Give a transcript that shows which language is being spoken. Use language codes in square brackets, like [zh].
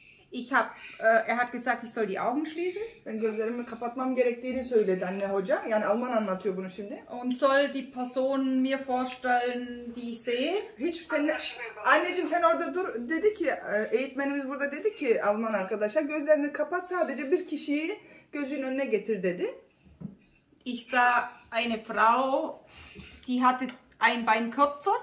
[de] Ich hab, er hat gesagt, ich soll die Augen schließen. [tr] Ben gözlerimi kapatmam gerektiğini söyledi anne hoca. Yani Alman anlatıyor bunu şimdi. [de] Und soll die Person mir vorstellen, die ich sehe. [tr] Hiç sen anneciğim sen orada dur dedi ki eğitmenimiz burada dedi ki Alman arkadaşa gözlerini kapat sadece bir kişiyi gözün önüne getir dedi. [de] Ich sah eine Frau, die hatte ein Bein kürzer.